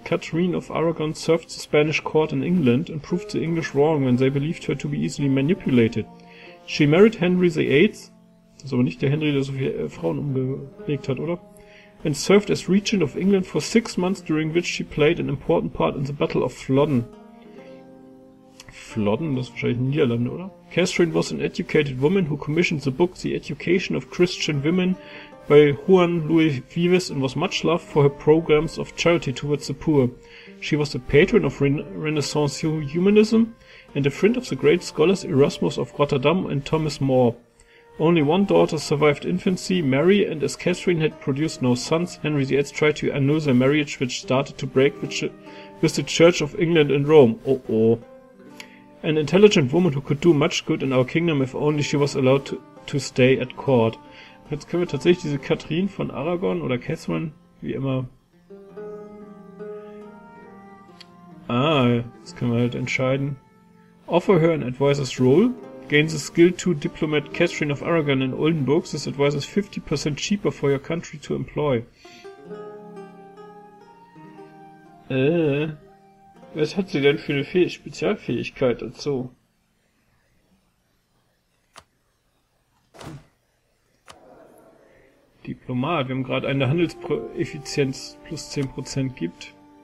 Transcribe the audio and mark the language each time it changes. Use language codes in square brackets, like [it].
[en] Catherine of Aragon served the Spanish court in England and proved the English wrong when they believed her to be easily manipulated. She married Henry VIII. [de] Das ist aber nicht der Henry, der so viele Frauen umgelegt hat, oder? [en] And served as regent of England for 6 months, during which she played an important part in the Battle of Flodden. [de] Flodden, das ist wahrscheinlich in Niederlande, oder? [en] Catherine was an educated woman who commissioned the book The Education of Christian Women by Juan Luis Vives and was much loved for her programs of charity towards the poor. She was a patron of Renaissance humanism and a friend of the great scholars Erasmus of Rotterdam and Thomas More. Only one daughter survived infancy, Mary, and as Catherine had produced no sons, Henry VIII tried to annul their marriage, which started to break with the Church of England in Rome. Oh oh. An intelligent woman who could do much good in our kingdom if only she was allowed to stay at court. [de] Jetzt können wir tatsächlich diese Catherine von Aragon oder Catherine, wie immer. Ah, jetzt können wir halt entscheiden. [en] Offer her an advisor's role. Gain the skill to diplomat Catherine of Aragon in Oldenburg. This advisor is 50% cheaper for your country to employ. [de] Was hat sie denn für eine Spezialfähigkeit dazu? Diplomat, wir haben gerade eine Handelseffizienz plus 10% gibt.